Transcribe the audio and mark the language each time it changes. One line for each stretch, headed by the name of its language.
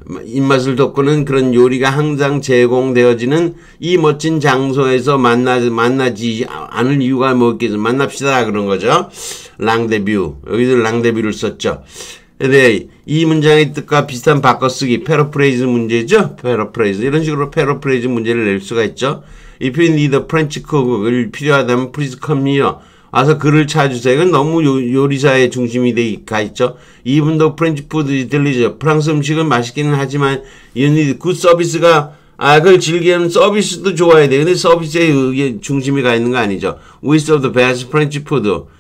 Korean: 입맛을 돋구는 그런 요리가 항상 제공되어지는 이 멋진 장소에서 만나지 않을 이유가 뭐겠어. 만납시다. 그런 거죠. Rendezvous. 여기서 Rendezvous를 썼죠. 네, 이 문장의 뜻과 비슷한 바꿔쓰기, 패러프레이즈 문제죠? 패러프레이즈. 이런 식으로 패러프레이즈 문제를 낼 수가 있죠?
English: If you need a French cook
Korean: 을 필요하다면,
English: please come here.
Korean: 와서 글을 찾으세요. 이건 너무 요리사의 중심이 돼가 있죠?
English: Even though French food is delicious.
Korean: 프랑스 음식은 맛있기는 하지만,
English: you need good service가,
Korean: 그걸 즐기면 서비스도 좋아야 돼요. 근데 서비스에 중심이 가 있는 거 아니죠?
English: We serve the best French food.